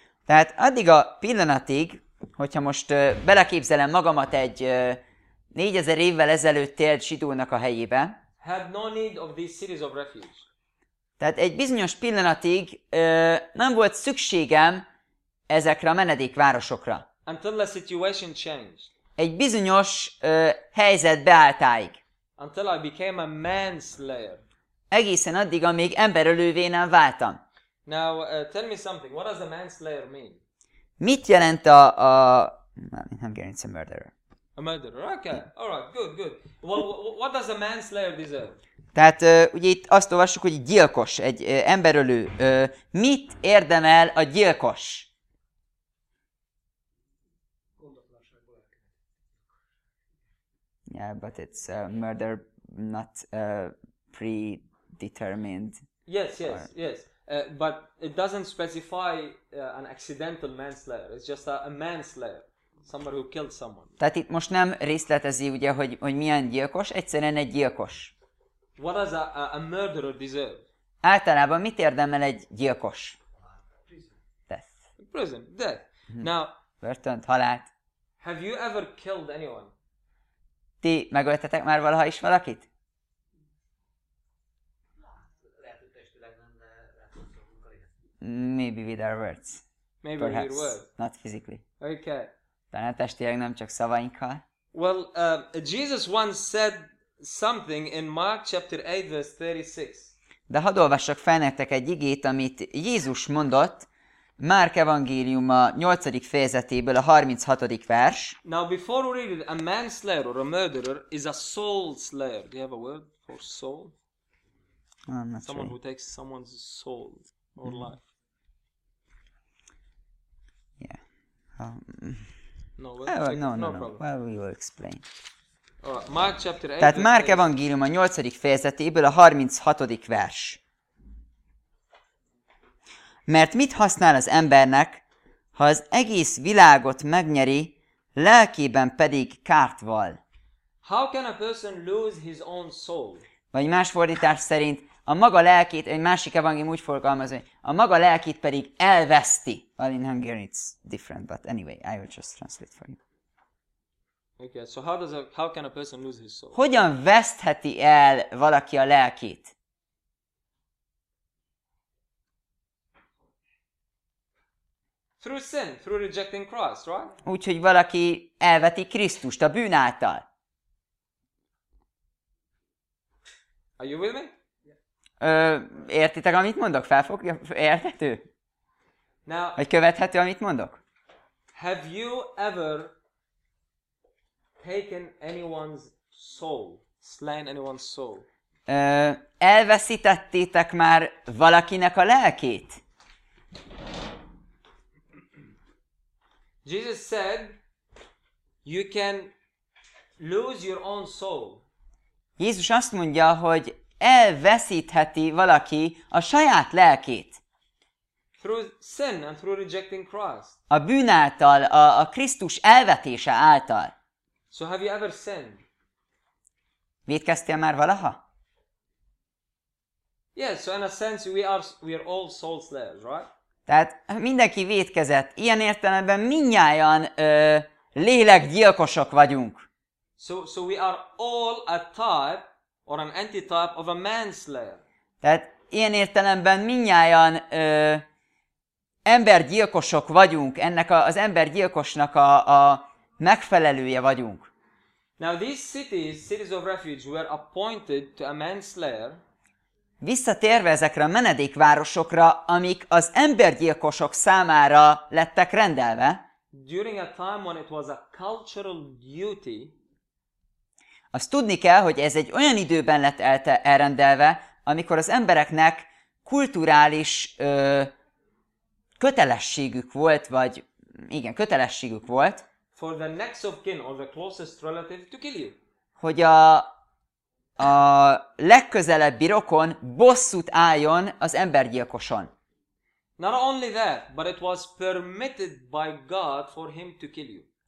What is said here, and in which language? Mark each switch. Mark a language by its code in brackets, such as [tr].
[hu] Tehát addig a pillanatig, hogyha most beleképzelem magamat egy 4000 évvel ezelőtt élt zsidónak a helyébe, [en] had no need of these cities of refuge. [hu] Tehát egy bizonyos pillanatig nem volt szükségem ezekre a menedékvárosokra. [en] Until the situation changed. [hu] Egy bizonyos helyzet beálltáig. [en] Until I became a manslayer. [hu] Egészen addig, amíg emberölővé nem váltam. [en] Now, tell me something. What does a manslayer mean? [hu] Mit jelent a... [en] I'm getting some murderer. A murderer, okay. All right, good. Well, what does a manslayer deserve? [hu] Tehát ugye itt azt olvassuk, hogy gyilkos, egy emberölő. Mit érdemel a gyilkos? [en] Yeah, but it's a murder not predetermined. Yes. But it doesn't specify an accidental manslayer. It's just a manslayer. Somebody who killed someone. [hu] Tehát itt most nem részletezi ugye, hogy milyen gyilkos, egyszerűen egy gyilkos. [en] What does a murderer deserve? [hu] Általában mit érdemel egy gyilkos? [en] Prison. Death. Prison, death. Now, [hu] börtönt, halált. [en] Have you ever killed anyone? [hu] Ti megöltetek már valaha is valakit? Lehet, hogy testileg nem lehet. [en] Maybe with our words. Maybe with your words. Not physically. Okay. [hu] Talán testileg nem csak szavainkkal. [en] Well, Jesus once said something in Mark chapter 8 verse 36. [hu] De hadd olvassak fel nektek egy igét, amit Jézus mondott Márk evangéliuma 8. fejezetéből a 36. vers. [en] Now before we read it, a manslayer or a murderer is a soul slayer. Do you have a word for soul? Someone who takes someone's soul or life. Yeah. No problem. Well, we will explain. Mark chapter 8. [hu] Tehát Márk evangéliuma 8. fejezetéből a 36. vers. Mert mit használ az embernek, ha az egész világot megnyeri, lelkében pedig kárt val? [en] How can a person lose his own soul? [hu] Vagy más fordítás szerint a maga lelkét, egy másik evangélium úgy forgalmazza, a maga lelkét pedig elveszti. [en] Well, in Hungarian it's different, but anyway, I will just translate for you. Okay, so how can a person lose his soul? [hu] Hogyan vesztheti el valaki a lelkét? [en] Through sin, through rejecting Christ, right? [hu] Úgyhogy valaki elveti Krisztust a bűn által. [en] Are you with me? [hu] Értitek, amit mondok? Felfogja, érthető? [en] Now, [hu] vagy követhető, amit mondok? [en] Have you ever taken anyone's soul, slain anyone's soul? [hu] Elveszítettétek már valakinek a lelkét? [en] Jesus said, you can lose your own soul. [hu] Jézus azt mondja, hogy elveszítheti valaki a saját lelkét. [en] Through sin and through rejecting Christ. [hu] A bűn által, a Krisztus elvetése által. [en] So have you ever sinned? [hu] Vétkeztél már valaha? [en] Yes, yeah, so in a sense we are all soul slayers, right? [hu] Tehát mindenki vétkezett. Ilyen értelemben mindnyájan lélekgyilkosok vagyunk. [en] So we are all a type or an anti-type of a manslayer. [hu] Tehát ilyen értelemben mindnyájan embergyilkosok vagyunk. Ennek az embergyilkosnak a megfelelője vagyunk. [en] Now these cities of refuge were appointed to a manslayer. [hu] Visszatérve ezekre a menedékvárosokra, amik az embergyilkosok számára lettek rendelve, [en] during a time when it was a cultural duty, [hu] azt tudni kell, hogy ez egy olyan időben lett elrendelve, amikor az embereknek kulturális kötelességük volt, vagy igen, kötelességük volt, [en] for the next of kin or the closest relative to kill you. [hu] Hogy a a legközelebbi rokon bosszút álljon az embergyilkoson. [en] Not only that, but it was permitted by God for him to kill you.